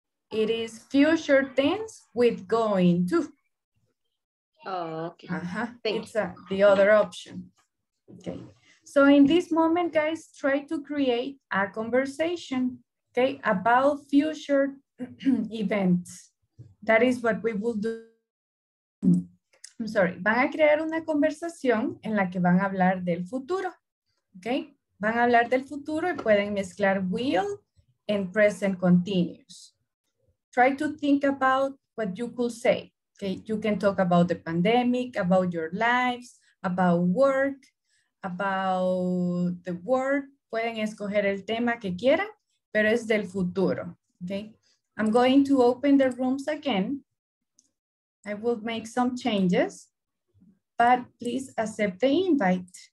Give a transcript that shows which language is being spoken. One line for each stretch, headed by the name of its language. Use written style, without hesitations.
English: It is future tense with going to. Okay. Uh-huh. It's the other option. Okay. So in this moment, guys, try to create a conversation, okay, about future events. That is what we will do. I'm sorry.
Spanish: Van a crear una conversación en la que van a hablar del futuro. Okay. Van a hablar del futuro y pueden mezclar
English: will and present continuous. Try to think about what you could say. Okay, you can talk about the pandemic, about your lives, about work, about the world.
Spanish: Pueden escoger el tema que quieran, pero es del futuro.
English: Okay, I'm going to open the rooms again. I will make some changes, but please accept the invite.